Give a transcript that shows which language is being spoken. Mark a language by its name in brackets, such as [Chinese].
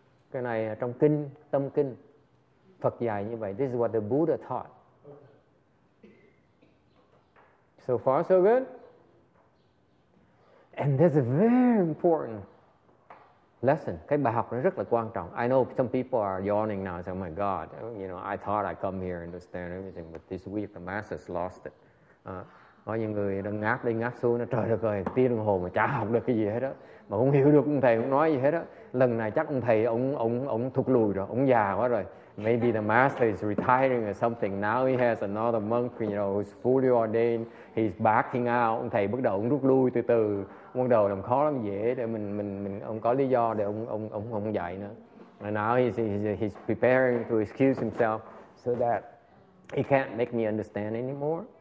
[Vietnamese] Cái này trong kinh, tâm kinh, Phật dạy như vậy. [English] This is what the Buddha taught. So far, so good. And there's a very important lesson. [Vietnamese] Cái bài học nó rất là quan trọng. [English] I know some people are yawning now. Say, oh my God, you know, I thought I come here and understand everything, but this week the masters lost it. [Vietnamese] Có những người đang ngáp đi ngáp xuống, nói, trời đất ơi, tia đồng hồ mà chả học được cái gì hết á, mà không hiểu được ông thầy không nói gì hết á. Lần này chắc ông thầy ông thụt lùi rồi, ông già quá rồi. [English] Maybe the master is retiring or something. Now he has another monk, you know, who's fully ordained. He's backing out. [Vietnamese] Ông thầy bắt đầu ông rút lui từ từ. Ban đầu làm khó lắm, dễ để mình ông có lý do để ông không dạy nữa. [English] And now he's preparing to excuse himself so that he can't make me understand anymore.